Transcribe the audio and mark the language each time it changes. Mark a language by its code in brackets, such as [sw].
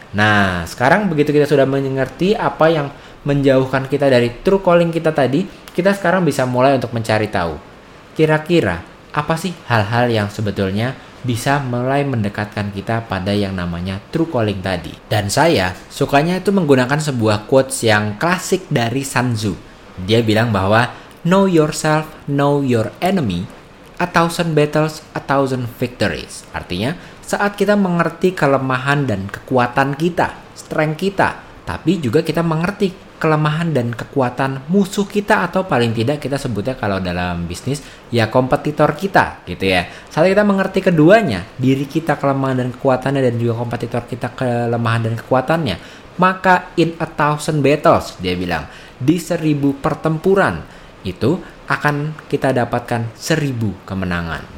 [id] Nah, sekarang begitu kita sudah mengerti apa yang menjauhkan kita dari true calling kita tadi, kita sekarang bisa mulai untuk mencari tahu. Kira-kira, apa sih hal-hal yang sebetulnya bisa mulai mendekatkan kita pada yang namanya true calling tadi? Dan saya sukanya itu menggunakan sebuah quotes yang klasik dari Sun Tzu. Dia bilang bahwa, [en] "Know yourself, know your enemy, 1,000 battles, 1,000 victories. [id] Artinya, saat kita mengerti kelemahan dan kekuatan kita, strength kita, tapi juga kita mengerti kelemahan dan kekuatan musuh kita, atau paling tidak kita sebutnya kalau dalam bisnis, ya kompetitor kita, gitu ya. Saat kita mengerti keduanya, diri kita kelemahan dan kekuatannya, dan juga kompetitor kita kelemahan dan kekuatannya, maka [en] in 1,000 battles, [id] dia bilang, di 1,000 pertempuran, itu akan kita dapatkan 1,000 kemenangan.